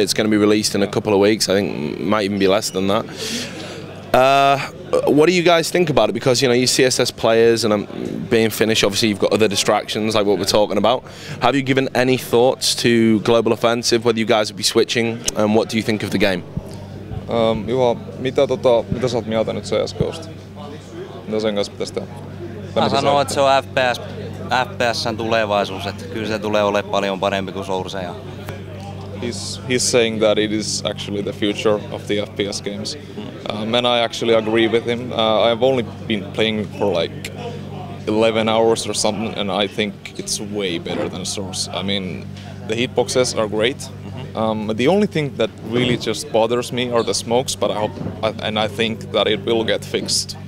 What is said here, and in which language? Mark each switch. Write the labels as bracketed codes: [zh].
[en] It's going to be released in a couple of weeks. I think it might even be less than that. What do you guys think about it? Because, you know, you CSS players, and I'm being Finnish, obviously you've got other distractions like what we're talking about. Have you given any thoughts to Global Offensive, whether you guys would be switching, and what do you think of the game? [fi] Juha, mitä sä oot mieltä nyt CSGOsta? Mitä sen kanssa pitäisi tehdä? Mä sanon, että se on FPS. FPS:n tulevaisuus, että kyllä se tulee olemaan paljon parempi kuin Source. [en] He's saying that it is actually the future of the FPS games. And I actually agree with him. I've only been playing for like 11 hours or something, and I think it's way better than Source. I mean, the hitboxes are great. The only thing that really just bothers me are the smokes, but I hope and I think that it will get fixed.